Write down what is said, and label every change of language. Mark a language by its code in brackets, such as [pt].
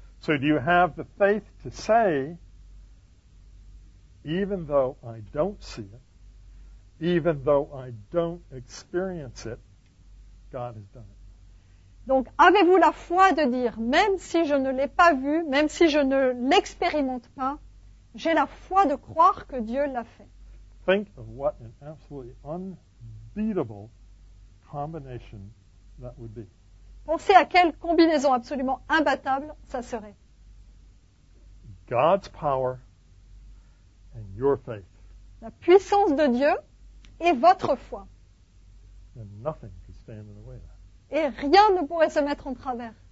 [en] So do you have the faith to say, even though I don't see it, even though I don't experience it, God has done it. [fr] Donc, avez-vous la foi de dire, même si je ne l'ai pas vu, même si je ne l'expérimente pas, j'ai la foi de croire que Dieu l'a fait. [en] Think of what an absolutely unbeatable combination that would be. [fr] Pensez à quelle combinaison absolument imbattable ça serait. [en] God's power and your faith. [fr] La puissance de Dieu et votre foi. [en] And nothing can stand in the way of that. [fr] Et rien ne pourrait se mettre en travers.